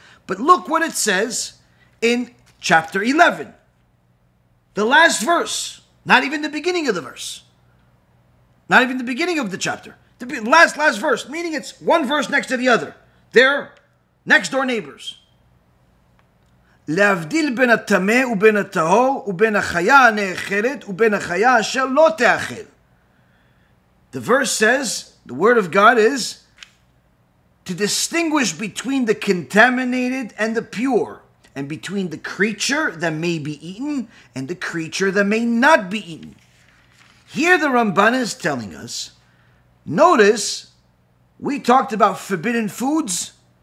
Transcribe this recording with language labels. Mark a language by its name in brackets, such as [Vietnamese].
[English] But look what it says in chapter 11. The last verse, not even the beginning of the verse. Not even the beginning of the chapter. The last verse, meaning it's one verse next to the other. They're next door neighbors. [Hebrew] להבדיל בין הטמא ובין הטהור ובין החיה הנאכלת ובין החיה אשר לא תאכל. [English] The verse says, the word of God is to distinguish between the contaminated and the pure, and between the creature that may be eaten and the creature that may not be eaten. Here the Ramban is telling us, notice, we talked about forbidden foods.